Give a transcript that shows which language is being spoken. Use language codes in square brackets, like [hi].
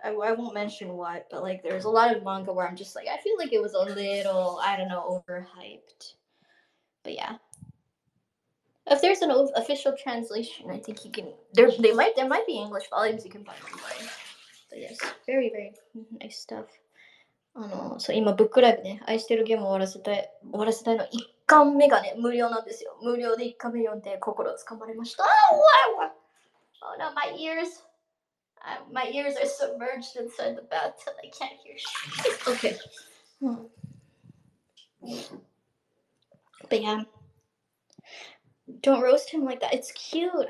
[en] I won't mention what, but like there's a lot of manga where I'm just like, I feel like it was a little, I don't know, overhyped. But yeah. If there's an official translation, I think you can, there might be English volumes you can find online. But yes, very, very nice stuff. [ja] So, 今、ブックライブね、愛してるゲームを終わらせたいの一巻目がね、無料なんですよ。無料で一巻目読んで心をつかまれました。 [en] Oh no, my ears are submerged inside the bathtub. I can't hear shit. Okay. But yeah. Don't roast him like that. It's cute.